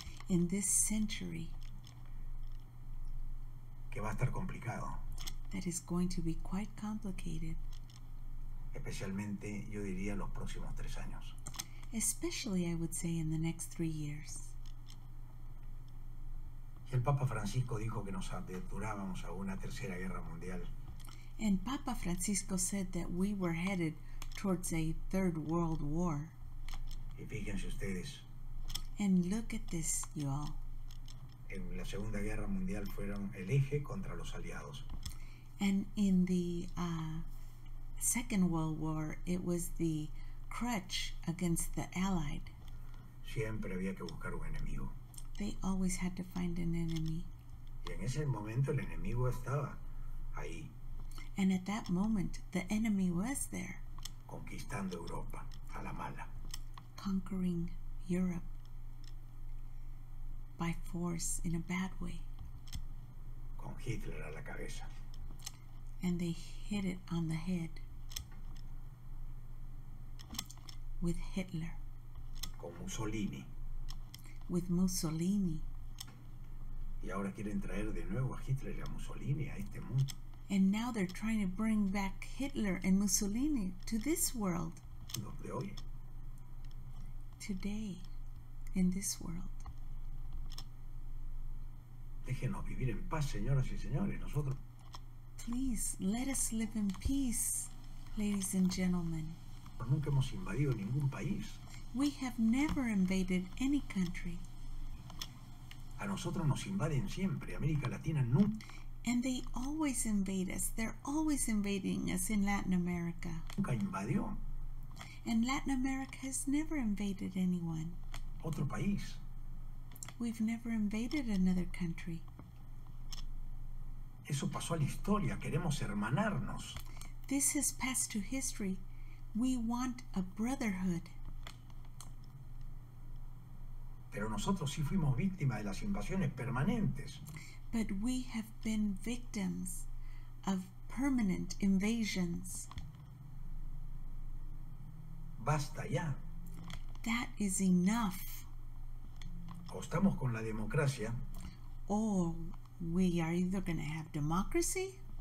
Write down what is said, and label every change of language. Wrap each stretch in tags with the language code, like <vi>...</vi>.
<en>In this century.</en> <es>Que va a estar complicado.</es> <en>That is going to be quite complicated.</en> <es>Especialmente, yo diría, los próximos 3 años.</es> <en>Especially, I would say, in the next 3 years.</en> <es>Y el Papa Francisco dijo que nos aventurábamos a una tercera guerra mundial.</es> <en>And Papa Francisco said that we were headed towards a third world war.</en> <es>Y fíjense ustedes.</es> <en>And look at this, you all.</en> <es>En la Segunda Guerra Mundial fueron el eje contra los aliados.</es> <en>And in the Second World War, it was the crutch against the Allied.</en> <es>Siempre había que buscar un enemigo.</es> <en>They always had to find an enemy.</en> <es>Y en ese momento el enemigo estaba ahí.</es> <en>And at that moment, the enemy was there.</en> <es>Conquistando Europa a la mala.</es> <en>Conquering Europe by force in a bad way.</en> <es>Con Hitler a la cabeza.</es> <en>And they hit it on the head with Hitler.</en> <es>Con Mussolini.</es> <en>With Mussolini.</en> <es>Y ahora quieren traer de nuevo a Hitler y a Mussolini a este mundo.</es> <en>And now they're trying to bring back Hitler and Mussolini to this world.</en> <es>¿Dónde hoy?</es> <en>Today, in this world.</en> <es>Déjenos vivir en paz, señoras y señores, nosotros.</es> <en>Please, let us live in peace, ladies and gentlemen.</en> <es>Nunca hemos invadido ningún país.</es> <en>We have never invaded any country.</en> <es>A nosotros nos invaden siempre, América Latina nunca.</es> <en>And they always invade us. They're always invading us in Latin America.</en> <es>Nunca invadió.</es> <en>And Latin America has never invaded anyone.</en> <es>Otro país.</es> <en>We've never invaded another country.</en> <es>Eso pasó a la historia. Queremos hermanarnos.</es> <en>This has passed to history. We want a brotherhood.</en> <es>Pero nosotros sí fuimos víctimas de las invasiones permanentes.</es> <en>But we have been victims of permanent invasions.</en> <es>Basta ya.</es> <en>That is enough.</en> <es>O estamos con la democracia.</es> <en>Or we are either going to have democracy.</en>